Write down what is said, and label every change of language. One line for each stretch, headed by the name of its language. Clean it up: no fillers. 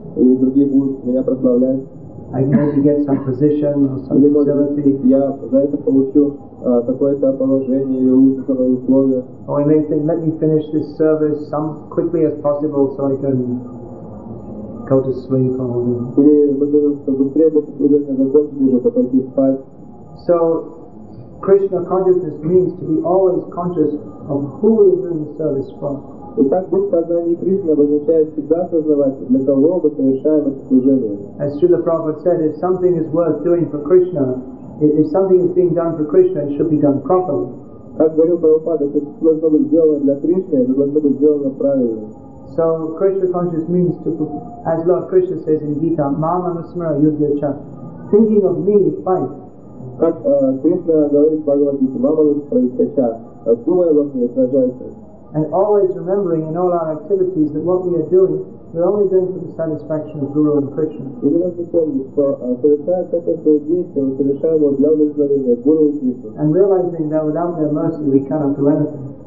Russian: И другие будут меня прославлять.
English: I can maybe get some position or some facility.
Russian: Я за это получу какое-то положение или лучшее условие.
English: Or I may think, let me finish this service some quickly as possible so I can go to sleep or whatever.
Russian: Или мы думаем, что быстрее это служение закончить, чтобы пойти спать.
English: So Krishna consciousness means to be always conscious of who we are doing the service for.
Russian: Итак, быть в сознании Кришны означает всегда осознавать, для кого мы совершаем это служение.
English: As Srila Prabhupada said, if something is worth doing for Krishna, if something is being done for Krishna, it should be done properly.
Russian: Как говорил Прабхупада, если что-то должно быть сделано для Кришны, это должно быть сделано правильно.
English: So Krishna consciousness means to, as Lord Krishna says in Gita,
Sanskrit: Mama Nusmara Yudhyacha,
English: thinking of me, fine.
Russian: Как Кришна говорит в Бхагавад-гите,
Sanskrit: Мама Нусмара Yudhyacha,
Russian: думай обо мне, сражайся.
English: And always remembering in all our activities that what we are doing, we're only doing for the satisfaction of Guru and Krishna. And realizing that without their mercy we cannot do anything.